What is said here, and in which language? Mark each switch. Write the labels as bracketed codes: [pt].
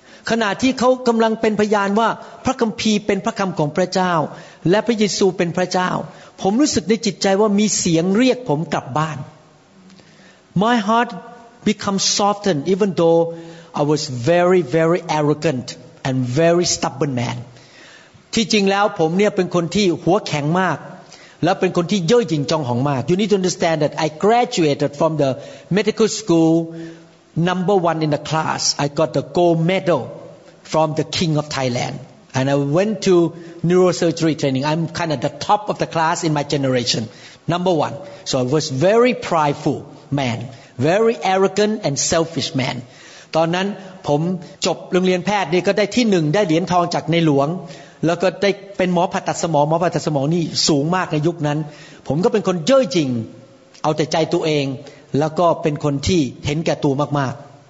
[th] ขณะที่เขากำลังเป็นพยานว่าพระคัมภีร์เป็นพระคำของพระเจ้าและพระเยซูเป็นพระเจ้าผมรู้สึกในจิตใจว่ามีเสียงเรียกผมกลับบ้าน [en] My heart became softened even though I was very very arrogant. And very stubborn man. [th] ที่จริงแล้วผมเนี่ยเป็นคนที่หัวแข็งมากและเป็นคนที่เย่อหยิ่งจองหองมาก [en] You need to understand that I graduated from the medical school number one in the class. I got the gold medal from the king of Thailand, and I went to neurosurgery training. I'm kind of the top of the class in my generation, number one. So I was very prideful man, very arrogant and selfish man. [th] ตอนนั้นผมจบโรงเรียนแพทย์นี่ก็ได้ที่หนึ่งได้เหรียญทองจากในหลวงแล้วก็ได้เป็นหมอผ่าตัดสมองหมอผ่าตัดสมองนี่สูงมากในยุคนั้นผมก็เป็นคนเย่อหยิ่งเอาแต่ใจตัวเองแล้วก็เป็นคนที่เห็นแก่ตัวมากๆ